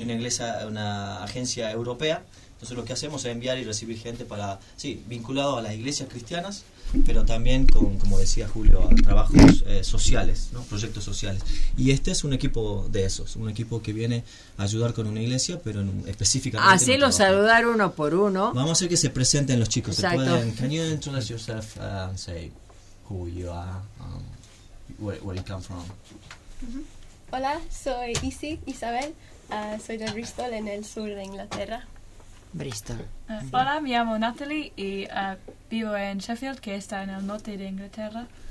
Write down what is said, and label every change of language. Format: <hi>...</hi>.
<es>En inglés, una agencia europea. Entonces, lo que hacemos es enviar y recibir gente para, sí, vinculado a las iglesias cristianas, pero también con, como decía Julio, a trabajos sociales, ¿no? Proyectos sociales. Y este es un equipo de esos, un equipo que viene a ayudar con una iglesia, pero específicamente. Así lo saludar uno por uno. Vamos a hacer que se presenten los chicos. Exacto.</es> <en>Can you introduce yourself and say who you are, where you come from? Mm-hmm.</en> <es>Hola, soy Isabel, soy de Bristol, en el sur de Inglaterra. Bristol. Hola, me llamo Natalie y vivo en Sheffield, que está en el norte de Inglaterra.</es>